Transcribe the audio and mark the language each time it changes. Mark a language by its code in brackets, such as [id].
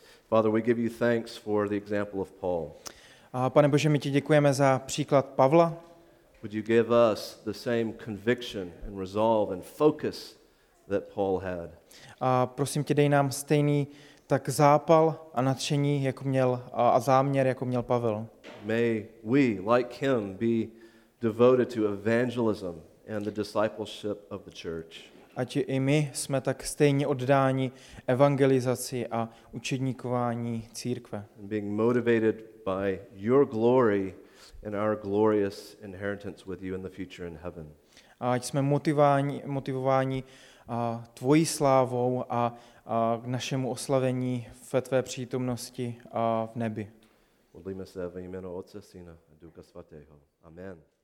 [en] Father, we give you thanks for the example of Paul. [cs] A Pane Bože, my ti děkujeme za příklad Pavla. [en] Would you give us the same conviction and resolve and focus that Paul had? [cs] A prosím tě, dej nám stejný tak zápal a nadšení, jako měl a záměr, jako měl Pavel. [en] May we, like him, be devoted to evangelism and the discipleship of the church. [cs] Ať i my jsme tak stejně oddáni evangelizaci a učedníkování církve. [en] And being motivated by your glory and our glorious inheritance with you in the future in heaven. [cs] A ať jsme motivováni tvojí slávou a k našemu oslavení ve tvé přítomnosti a v nebi. Modlíme se ve jménu Otce, Syna a Ducha Svatého. Amen.